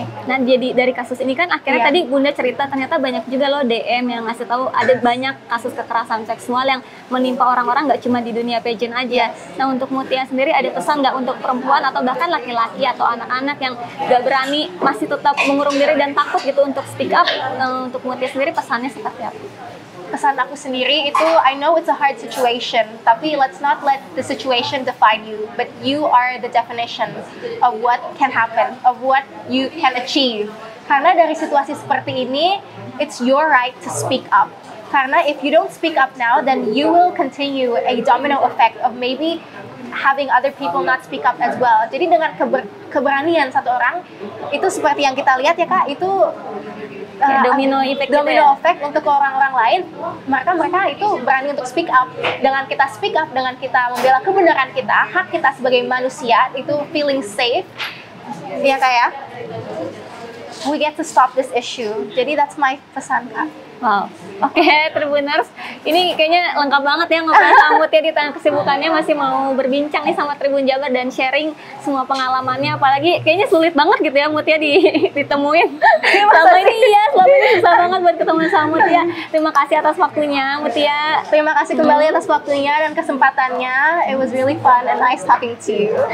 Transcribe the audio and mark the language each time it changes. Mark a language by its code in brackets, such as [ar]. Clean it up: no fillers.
[id] Nah, jadi dari kasus ini kan akhirnya tadi Bunda cerita ternyata banyak juga loh DM yang ngasih tahu ada banyak kasus kekerasan seksual yang menimpa orang-orang nggak cuma di dunia pageant aja. Nah, untuk Mutia sendiri ada pesan nggak untuk perempuan atau bahkan laki-laki atau anak-anak yang nggak berani masih tetap mengurung diri dan takut gitu untuk speak up? Untuk Mutia sendiri pesannya seperti apa? Pesan aku sendiri itu, [en] I know it's a hard situation, [id] tapi [en] let's not let the situation define you, but you are the definition of what can happen, of what you can achieve. [id] Karena dari situasi seperti ini, [en] it's your right to speak up. [id] Karena [en] if you don't speak up now, then you will continue a domino effect of maybe having other people not speak up as well. [id] Jadi dengan keberanian satu orang, itu seperti yang kita lihat ya Kak, itu [en] domino effect [id] untuk orang-orang lain, mereka itu berani untuk speak up. Dengan kita speak up, dengan kita membela kebenaran kita, hak kita sebagai manusia, itu [en] feeling safe, [id] ya Kak ya, [en] we get to stop this issue. [id] Jadi [en] that's my [id] pesan Kak. Wow, oke, okay, Tribuners, ini kayaknya lengkap banget ya ngobrol sama ya di tengah kesibukannya masih mau berbincang nih sama Tribun Jabar dan sharing semua pengalamannya, apalagi kayaknya sulit banget gitu ya Mutia ditemuin. Selama ini susah banget buat ketemu sama Mutia. Terima kasih atas waktunya, Mutia. Terima kasih kembali atas waktunya dan kesempatannya. [en] It was really fun and nice talking to you.